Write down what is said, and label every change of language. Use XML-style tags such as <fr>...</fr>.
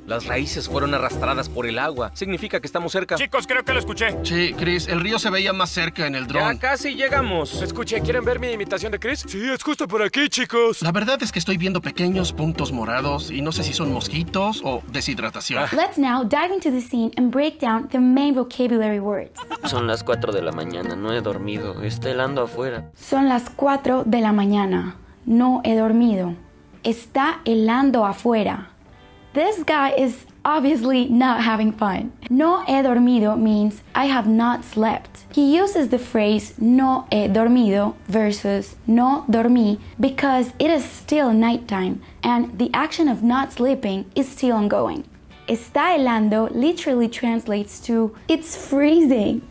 <es>Las raíces fueron arrastradas por el agua. Significa que estamos cerca. Chicos, creo que lo escuché. Sí, Chris, el río se veía más cerca en el dron. Ya casi llegamos. Escuché, ¿quieren ver mi imitación de Chris? Sí, es justo por aquí, chicos. La verdad es que estoy viendo pequeños puntos morados y no sé si son mosquitos o deshidratación.</es> <en>Let's now dive into the scene and break down the main vocabulary words.</en> <es>Son las 4 de la mañana, no he dormido, está helando afuera. Son las 4 de la mañana, no he dormido, está helando afuera.</es> <en>This guy is obviously not having fun.</en> <es>No he dormido</es> <en>means I have not slept. He uses the phrase</en> <es>no he dormido</es> <en>versus</en> <es>no dormí</es> <en>because it is still nighttime and the action of not sleeping is still ongoing.</en> <es>Está helando</es> <en>literally translates to it's freezing.</en>